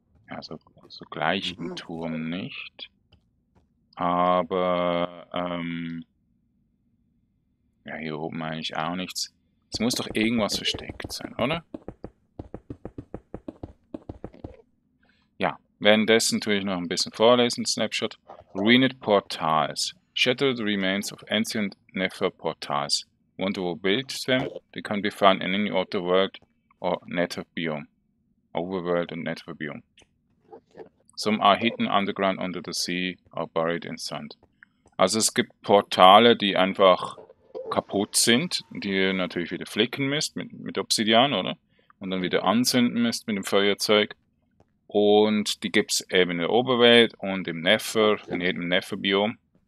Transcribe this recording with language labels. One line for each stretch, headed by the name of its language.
German: Ja, so gleich im Turm nicht. Aber, ja, hier oben eigentlich auch nichts. Es muss doch irgendwas versteckt sein, oder? Ja, währenddessen tue ich noch ein bisschen vorlesen, Snapshot.
English: Ruined Portals. Shattered remains of ancient Nepher Portals. Want to build them? They can be found in any other world or Nether biome. Overworld and Nether biome. Some are hidden underground under the sea or buried in sand.
German: Also es gibt Portale, die einfach kaputt sind, die ihr natürlich wieder flicken müsst mit Obsidian, oder? Und dann wieder anzünden müsst mit dem Feuerzeug. Und die gibt es eben in der Oberwelt und im Nether, in jedem Nether-Biom.